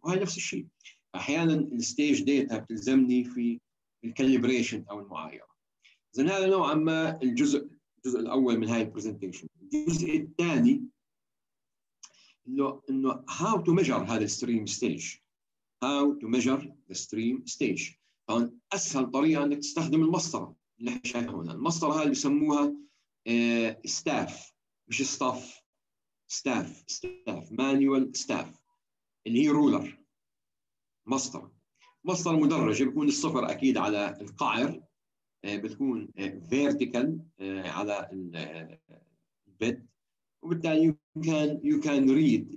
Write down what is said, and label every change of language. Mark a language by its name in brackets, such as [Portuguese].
[Arabic] وهي نفس الشيء احيانا الستيج داتا بتلزمني في الكاليبريشن او المعايره. زين هذا نوعا ما الجزء الاول من هاي البرزنتيشن. الجزء الثاني انه هاو تو ميجر هذا الستريم ستيج. [English] how to measure the stream stage. [Arabic] هون اسهل طريقه انك تستخدم المسطره اللي احنا شايفها هنا. المسطره هاي بسموها ستاف مش ستاف، ستاف ستاف مانوال ستاف اللي هي رولر. مسطره، مسطره مدرجه بيكون الصفر اكيد على القعر، بتكون vertical على البيت، وبالتالي [English] you can read.